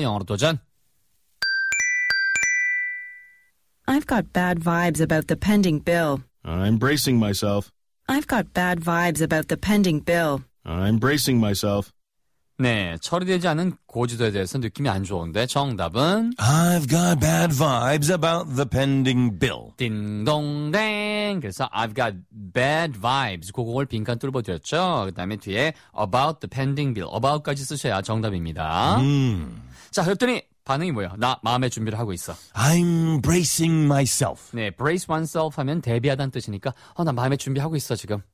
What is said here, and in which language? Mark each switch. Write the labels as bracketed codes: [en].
[ko] 영어로 도전. [en] I've got bad vibes about the pending bill. I'm bracing myself. I've got bad vibes about the pending bill. I'm bracing myself. [ko] 네, 처리되지 않은 고지서에 대해서 느낌이 안 좋은데 정답은 [en] I've got bad vibes about the pending bill. [ko] 띵동댕. 그래서 [en] I've got bad vibes. [ko] 고공을 빈칸 뚫어드렸죠. 그 다음에 뒤에 [en] about the pending bill. [ko] about까지 쓰셔야 정답입니다. 자, 그랬더니 반응이 뭐예요? 나 마음의 준비를 하고 있어. [en] I'm bracing myself. [ko] 네, brace oneself 하면 대비하다는 뜻이니까 나 마음의 준비하고 있어 지금.